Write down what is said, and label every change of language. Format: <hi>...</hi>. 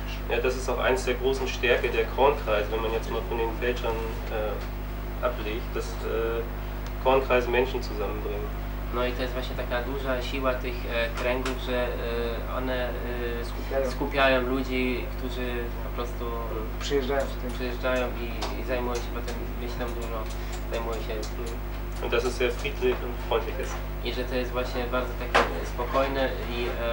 <de>Ja, das ist auch eins der großen Stärke der Kornkreise, wenn man jetzt mal von den Fälschern ablegt, dass Kornkreise Menschen zusammenbringen.</de> <pl>No i to jest właśnie taka duża siła tych kręgów, że one skupiają ludzi, którzy po prostu przyjeżdżają i zajmują się potem myślą dużo, zajmują się ludźmi.</pl> <de>Und das ist sehr friedlich und freundlich ist.</de> <pl>I że to jest właśnie bardzo takie spokojne i</pl>